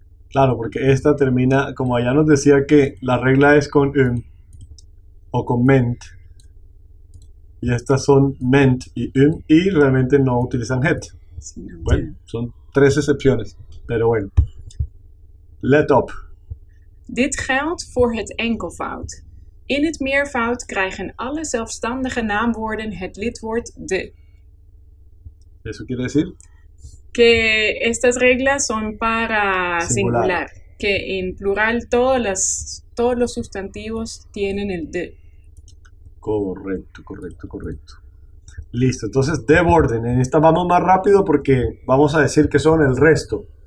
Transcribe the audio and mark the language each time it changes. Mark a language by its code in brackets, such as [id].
[es] Claro, porque esta termina, como allá nos decía que la regla es con um o con ment. Y estas son ment y um y realmente no utilizan het. Sí, bueno, yeah. Son tres excepciones, pero bueno. [nl] Let up. Dit geldt voor het enkelvoud. In het meervoud krijgen alle zelfstandige naamwoorden het lidwoord de. [es] ¿Eso quiere decir? Que estas reglas son para singular. Que en plural todos los sustantivos tienen el de. Correcto, correcto, correcto. Listo, entonces de orden. En esta vamos más rápido porque vamos a decir que son el resto.